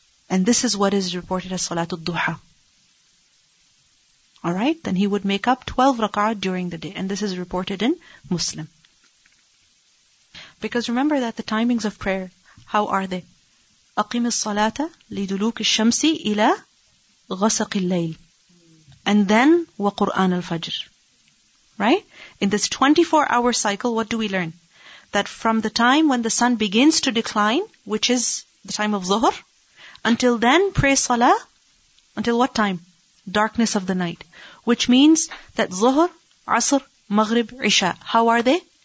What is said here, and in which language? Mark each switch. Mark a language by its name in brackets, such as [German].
[English] And this is what is reported as Salatul Duha. Alright, then he would make up 12 rak'ah during the day. And this is reported in Muslim. Because remember that the timings of prayer, how are they? [Arabic] أقم الصلاة لدلوك الشمس إلى غسق الليل. [English] And then [Arabic] وقرآن الفجر. [English] Right? In this 24-hour cycle, what do we learn? That from the time when the sun begins to decline, which is the time of Zuhr, until then pray salah, until what time? Darkness of the night. Which means that Zuhr, Asr, Maghrib, Isha, how are they?